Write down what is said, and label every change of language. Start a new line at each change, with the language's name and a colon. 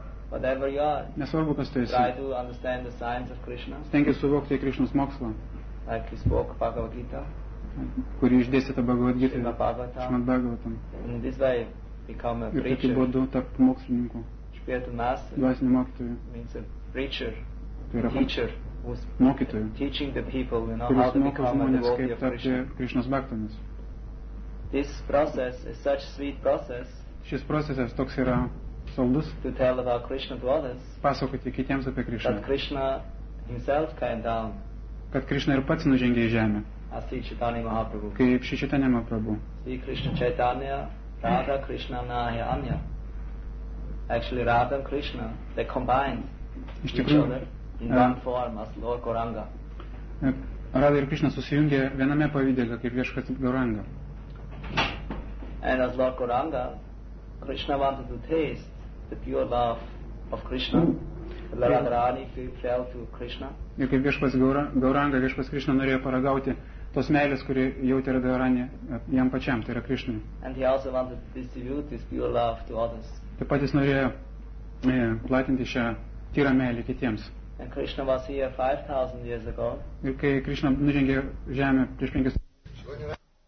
English: Whatever you are.
Lithuanian: Nesvarbu, kas tu esi.
English: Try to understand the science of Krishna.
Lithuanian: Stengi suvokti Krishnas mokslą.
English: Like he spoke Bhagavad Gita.
Lithuanian: Kuri išdėsė tą Bhagavad Gita Šrimad Bhagavatam.
English: In this way become a preacher.
Lithuanian: Ir tokiu būdu tapti mokslininku, dvasiniu mokytoju.
English: Means a preacher. teacher was mokytoju, teaching the people, you know, how to become a devotee of Krishna.
Lithuanian: This process is such a sweet process. Šis procesas toks yra saldus.
English: To tell about Krishna to others.
Lithuanian: Pasakoti kitiems apie Krishna.
English: That Krishna himself came down.
Lithuanian: Kad Krishna ir pats nužengė į žemę.
English: As Sri Chaitanya Mahaprabhu.
Lithuanian: Kaip Sri Chaitanya Mahaprabhu.
Sanskrit: Sri Krishna Chaitanya, Radha Krishna Naya Anya.
English: Actually Radha and Krishna, they combined each other in one form as Lord Gauranga.
Lithuanian: Radha ir Krishna susijungė viename pavidale kaip Viešpats Gauranga.
English: And as Lord Gauranga, Krishna wanted to taste the pure love of Krishna. Radharani fell to Krishna.
Lithuanian: Ir kaip Viešpats Gauranga, Viešpats Krishna norėjo paragauti tos meilės, kurį jautė Radharani jam pačiam, tai yra Krishna.
English: And he also wanted to distribute this pure love to others.
Lithuanian: Taip pat jis norėjo platinti šią tyrą meilį kitiems.
English: And Krishna was here 5,000 years ago.
Lithuanian: Ir kai Krishna nužengė žemę prieš 5,000